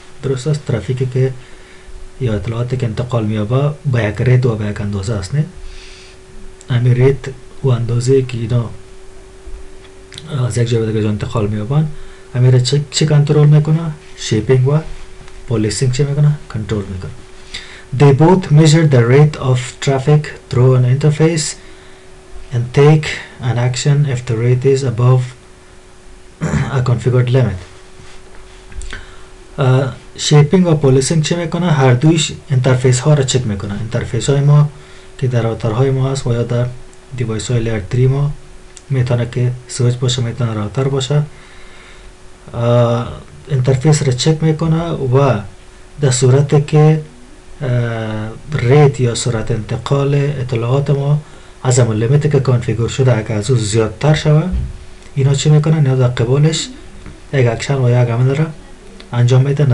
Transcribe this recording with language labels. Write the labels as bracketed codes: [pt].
[fa] درست است، ترافیکی که یا اطلاعاتی که انتقال میابه با یک ریت و با یک اندازه است، نه؟ همین ریت و اندازه که اینا از یک جا به دیگه انتقال میابن همین ریت چه کنترل میکنه؟ شیپینگ و پولیسینگ چه میکنه؟ کنترل میکنه. [en] They both measure the rate of traffic through an interface and take an action if the rate is above a configured limit. [fa] Shaping و policing چه میکنه؟ هر دویش انترفیس ها را چک میکنه. انترفیس های ما که در راوتر های ما هست و یا در دیوائس های لیر 3 ما میتونه که سویچ باشه، میتونه راوتر باشه، انترفیس را چک میکنه و در صورت که ریت یا سرعت انتقال اطلاعات ما از همون لیمیتی که کانفیگور شده اگر از او زیادتر شوه اینا چی میکنن؟ یا در قبالش یک اکشن و یک عمل را انجام میده.